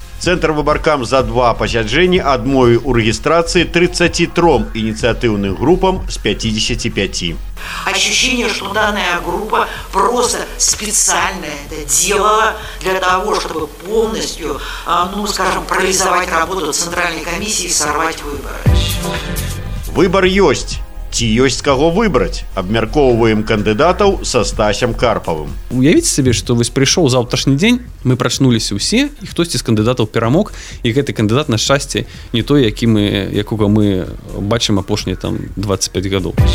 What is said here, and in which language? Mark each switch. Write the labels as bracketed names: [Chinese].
[Belarusian] Цэнтр выбаркам за два пасяджэнні адмовіў у рэгістрацыі 33 ініцыятыўным групам з 55. [Russian] Ощущение, что данная группа просто специальная это делала для того, чтобы полностью, ну скажем, парализовать работу Центральной комиссии и сорвать выборы. [Belarusian] Выбор есть. Ці ёсць каго выбраць? Абмяркоўваем кандыдатаў са Стасем Карпавым. Уявіце сабе, што вось прыйшоў заўтрашні дзень, мы прачнуліся ўсе, і хтосьці з кандыдатаў перамог, і гэты кандыдат, на шчасце, не той, які мы, якога мы бачым апошні там 25 гадоў.